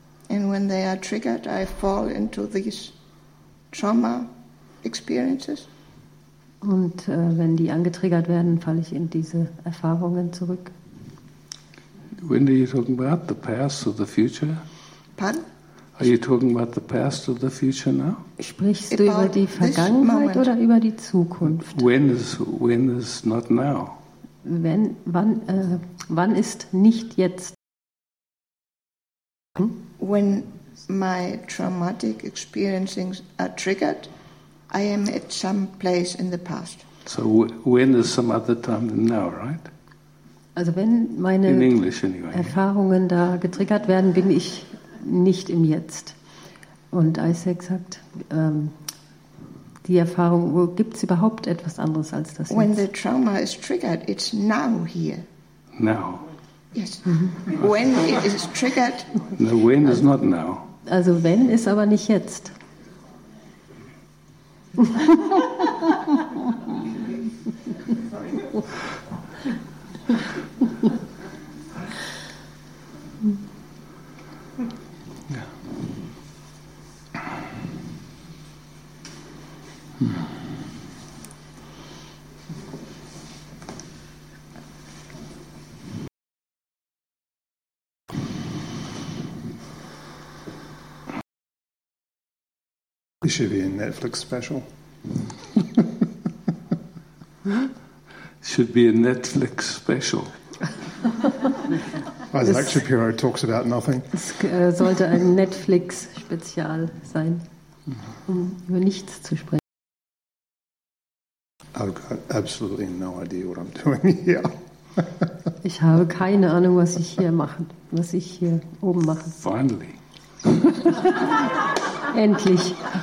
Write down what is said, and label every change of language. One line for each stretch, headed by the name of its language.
English: And when they are triggered, I fall into these trauma experiences.
German: Und wenn die angetriggert werden, falle ich in diese Erfahrungen zurück.
English: When are you talking about the past or the future? Pardon? Are you talking about the past or the future now?
German: Sprichst du über die Vergangenheit oder über die Zukunft?
English: When is not now?
German: Wann ist nicht jetzt?
English: When my traumatic experiences are triggered, I am at some place in the past. So when is some other time than now, right?
German: Also wenn meine
English: in English, anyway.
German: Erfahrungen da getriggert werden, bin ich nicht im Jetzt. Und Isaac sagt, die Erfahrung, gibt es überhaupt etwas anderes als das
English: when
German: Jetzt?
English: When the trauma is triggered, it's now here. Now. Yes. Mm-hmm. When it is triggered. No, when is not now.
German: Also wenn ist aber nicht jetzt.
English: This should be a Netflix special. Should be a Netflix special. Isaac Shapiro talks about nothing.
German: Es sollte ein Netflix-Spezial sein, um über nichts zu sprechen.
English: I've got absolutely no idea what I'm doing here.
German: Ich habe keine Ahnung, was ich hier mache, was ich hier oben mache.
English: Finally.
German: Endlich.